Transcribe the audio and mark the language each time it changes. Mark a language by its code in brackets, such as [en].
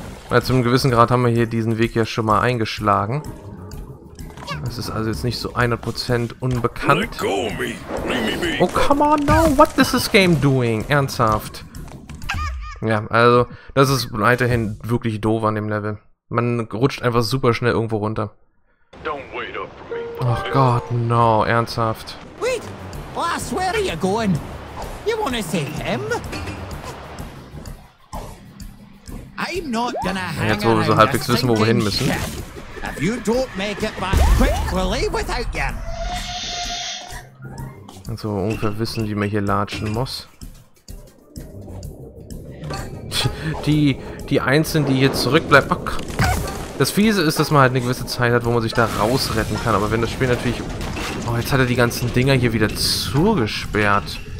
[de] Weil zu einem gewissen Grad haben wir hier diesen Weg ja schon mal eingeschlagen. Das ist also jetzt nicht so 100% unbekannt. [en] Let go me. Leave me be. Oh, come on now! What is this game doing? [de] Ernsthaft? Ja, also, das ist weiterhin wirklich doof an dem Level. Man rutscht einfach super schnell irgendwo runter. [en] Don't wait up for me. [de] Oh Gott, [en] no, [de] ernsthaft. [en] Wait! Lass, where are you going? You wanna see him? I'm not gonna hang around. [de] Jetzt wo wir so halbwegs wissen, wo wir hin müssen. [en] If you don't make it back quickly without you. [de] Also ungefähr wissen, wie man hier latschen muss. Die Einzelnen, die hier zurückbleiben. Oh, das Fiese ist, dass man halt eine gewisse Zeit hat, wo man sich da rausretten kann. Aber wenn das Spiel natürlich... Oh, jetzt hat er die ganzen Dinger hier wieder zugesperrt.